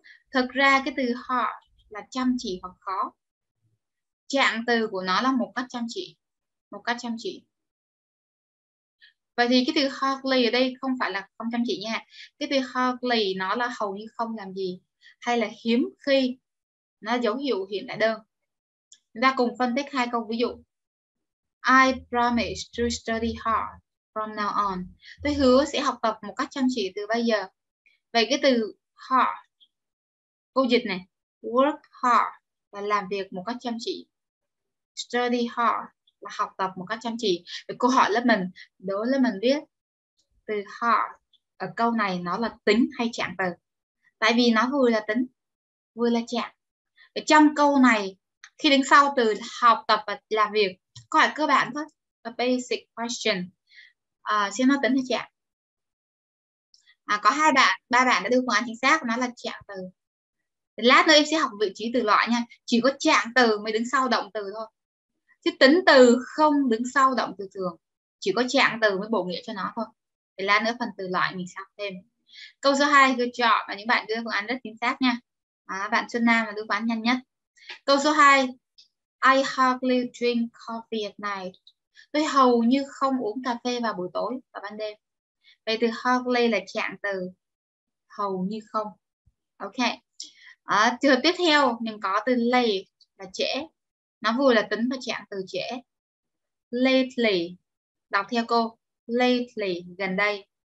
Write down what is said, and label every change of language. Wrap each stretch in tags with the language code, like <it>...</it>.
<vi>Thực ra cái từ hot là chăm chỉ hoặc khó. Trạng từ của nó là một cách chăm chỉ. Một cách chăm chỉ. Vậy thì cái từ hardly ở đây không phải là không chăm chỉ nha. Cái từ hardly nó là hầu như không làm gì. Hay là hiếm khi. Nó dấu hiệu hiện đại đơn. Chúng ta cùng phân tích hai câu ví dụ.</vi> <en>I promise to study hard from now on.</en> <vi>Tôi hứa sẽ học tập một cách chăm chỉ từ bây giờ. Vậy cái từ hard. Câu dịch này.</vi> <en>Work hard</en> <vi>là làm việc một cách chăm chỉ.</vi> <en>Study hard</en> <vi>là học tập một cách chăm chỉ. Vậy câu hỏi lớp mình, đối lớp mình biết từ hard ở câu này nó là tính hay trạng từ? Tại vì nó vừa là tính, vừa là trạng. Ở trong câu này, khi đứng sau từ học tập và làm việc, câu hỏi cơ bản thôi,</vi> <en>a basic question,</en> <vi>xem nó tính hay trạng. Có hai bạn, ba bạn đã đưa phương án chính xác, nó là trạng từ. Lát nữa em sẽ học vị trí từ loại nha. Chỉ có trạng từ mới đứng sau động từ thôi. Chứ tính từ không đứng sau động từ thường. Chỉ có trạng từ mới bổ nghĩa cho nó thôi. Thì lát nữa phần từ loại mình xem thêm. Câu số 2,</vi> <en>good job.</en> <vi>Và những bạn đưa phương án rất chính xác nha. Bạn Xuân Nam là đưa phương án nhanh nhất.</vi> <en>Câu số 2, I hardly drink coffee at night.</en> <vi>Tôi hầu như không uống cà phê vào buổi tối và ban đêm. Vậy từ hardly là trạng từ. Hầu như không. Ok. Trường hợp tiếp theo, mình có từ late là trễ. Nó vừa là tính và trạng từ trễ. Lately, đọc theo cô. Lately, gần đây.</vi>